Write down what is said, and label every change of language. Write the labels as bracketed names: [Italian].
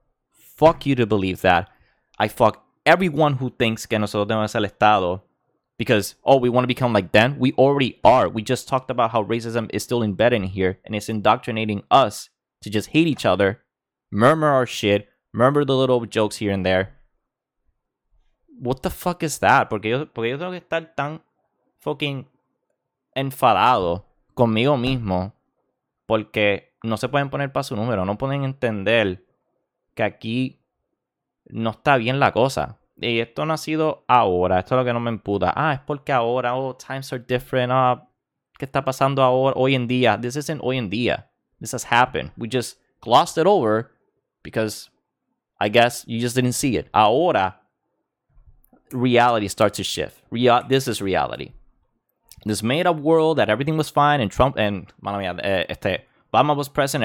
[English] Fuck you to believe that. I fuck everyone who thinks [Spanish] que nosotros tenemos el Estado, [English] because, oh, we want to become like them. We already are. We just talked about how racism is still embedded in here and it's indoctrinating us to just hate each other, murmur our shit, murmur the little jokes here and there. What the fuck is that? [Spanish] Porque yo tengo que estar tan fucking enfadado conmigo mismo porque no se pueden poner para su número. No pueden entender que aquí no está bien la cosa. Y esto no ha sido ahora. Esto es lo que no me emputa. Ah, es porque ahora, oh, [English] times are different. [Spanish] Ah, ¿qué está pasando ahora, hoy en día? [English] This isn't [Spanish] hoy en día. [English] This has happened. We just glossed it over because I guess you just didn't see it. Ahora, reality starts to shift. This is reality. This made-up world that everything was fine and Trump and, [Spanish] mano mia, [English] Obama was present.